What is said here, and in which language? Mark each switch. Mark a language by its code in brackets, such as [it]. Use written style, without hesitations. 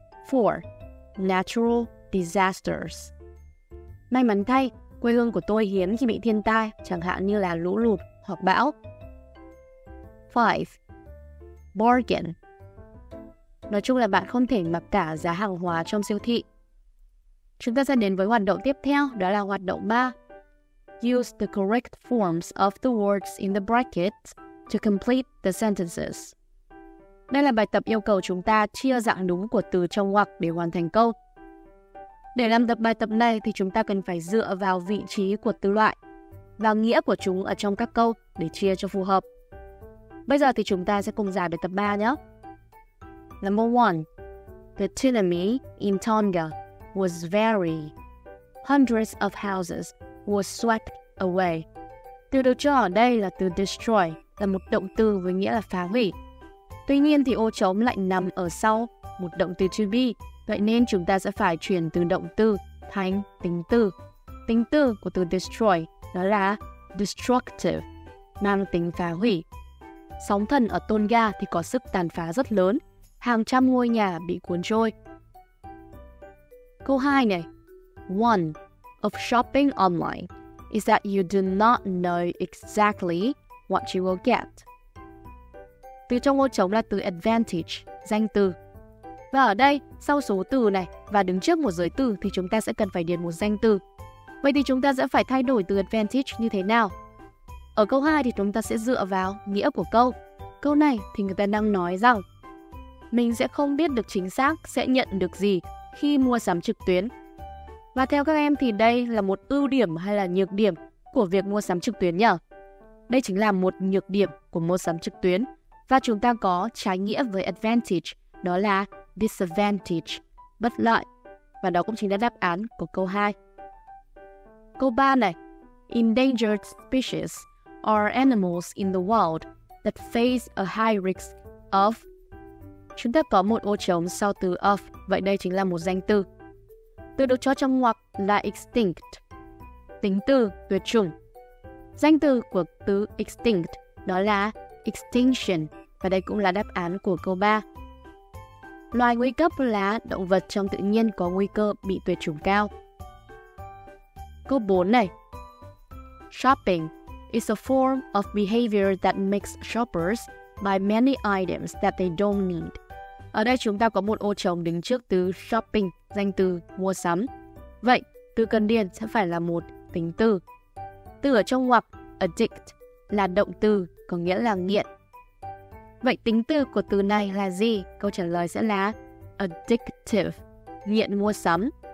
[vi] 4, natural disasters. May mắn thay, quê hương của tôi hiếm khi bị thiên tai, chẳng hạn như là lũ lụt hoặc bão. 5, bargain. Nói chung là bạn không thể mặc cả giá hàng hóa trong siêu thị. Chúng ta sẽ đến với hoạt động tiếp theo, đó là hoạt động 3. [en] Use the correct forms of the words in the brackets to complete the sentences. [vi] Đây là bài tập yêu cầu chúng ta chia dạng đúng của từ trong ngoặc để hoàn thành câu. Để làm tập bài tập này thì chúng ta cần phải dựa vào vị trí của từ loại và nghĩa của chúng ở trong các câu để chia cho phù hợp. Bây giờ thì chúng ta sẽ cùng giải bài tập 3 nhé. [en] Number 1. The tsunami in Tonga was very. Hundreds of houses were swept away. [vi] Từ được cho ở đây là từ destroy, là một động từ với nghĩa là phá hủy. Tuy nhiên thì ô trống lại nằm ở sau một động từ to be, vậy nên chúng ta sẽ phải chuyển từ động từ thành tính từ. Tính từ của từ destroy đó là destructive, mang tính phá hủy. Sóng thần ở Tonga thì có sức tàn phá rất lớn, hàng trăm ngôi nhà bị cuốn trôi. Câu 2 này. [en] One of shopping online is that you do not know exactly what you will get. [vi] Từ trong ô trống là từ advantage, danh từ. Và ở đây, sau số từ này và đứng trước một giới từ thì chúng ta sẽ cần phải điền một danh từ. Vậy thì chúng ta sẽ phải thay đổi từ advantage như thế nào? Ở câu 2 thì chúng ta sẽ dựa vào nghĩa của câu. Câu này thì người ta đang nói rằng mình sẽ không biết được chính xác sẽ nhận được gì khi mua sắm trực tuyến. Và theo các em thì đây là một ưu điểm hay là nhược điểm của việc mua sắm trực tuyến nhỉ? Đây chính là một nhược điểm của mua sắm trực tuyến. Và chúng ta có trái nghĩa với advantage, đó là disadvantage, bất lợi. Và đó cũng chính là đáp án của câu 2. Câu 3 này. [en] Endangered species are animals in the wild that face a high risk of. [vi] Chúng ta có một ô trống sau từ of, vậy đây chính là một danh từ. Từ được cho trong ngoặc là extinct, tính từ tuyệt chủng. Danh từ của từ extinct đó là extinction, và đây cũng là đáp án của câu 3. Loài nguy cấp là động vật trong tự nhiên có nguy cơ bị tuyệt chủng cao. Câu 4 này. [en] Shopping is a form of behavior that makes shoppers buy many items that they don't need. [vi] Ở đây chúng ta có một ô trống đứng trước từ shopping, danh từ mua sắm. Vậy, từ cần điền sẽ phải là một tính từ. Từ ở trong ngoặc, addict, là động từ, có nghĩa là nghiện. Vậy tính từ của từ này là gì? Câu trả lời sẽ là addictive, nghiện mua sắm.